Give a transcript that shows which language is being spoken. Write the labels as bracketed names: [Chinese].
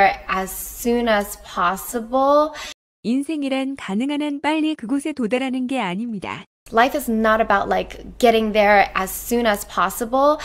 [English] Life is not about getting there as soon as possible. [Korean] 인생이란 가능한 한 빨리 그곳에 도달하는 게 아닙니다. [English] Life is not about like getting there as soon as possible.